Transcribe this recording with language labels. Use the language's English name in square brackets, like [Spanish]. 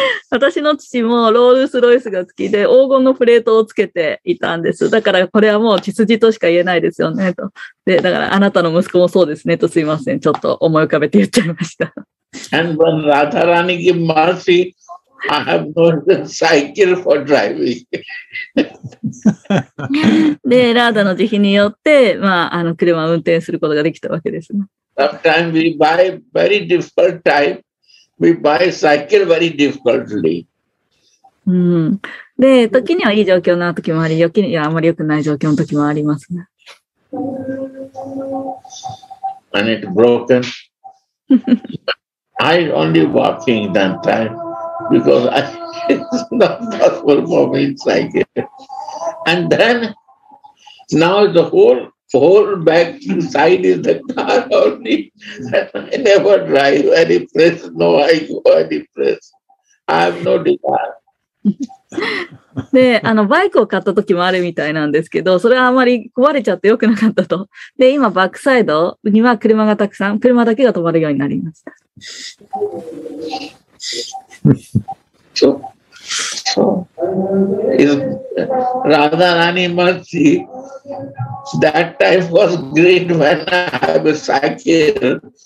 [Japanese] 私の父もロールスロイスが好きで黄金のプレートをつけていたんです。だからこれはもう血筋としか言えないですよねと。で、だからあなたの息子もそうですねと、すいません。ちょっと思い浮かべて言っちゃいました。 [English] And when Radharani give mercy, I have no cycle for driving. [Japanese] で、ラーダの慈悲によって、まあ、あの車を運転することができたわけですね。 [English] Sometimes we buy very difficult type. We buy cycle very difficultly. [Japanese] で、時にはいい状況の時もあり、時にはあまり良くない状況の時もありますね。 [English] And it's broken. I only walking that time because I, it's not possible for me to cycle. And then now the whole back side is the car only. I never drive any place. No, I go any place. I have no desire. [Japanese] で、あのバイクを買った時もあるみたいなんですけど、それはあまり壊れちゃって良くなかったと。で、今バックサイドには車がたくさん、車だけが止まるようになりました。 [English] So, so is Radharani mercy that time was great when I have a cycle.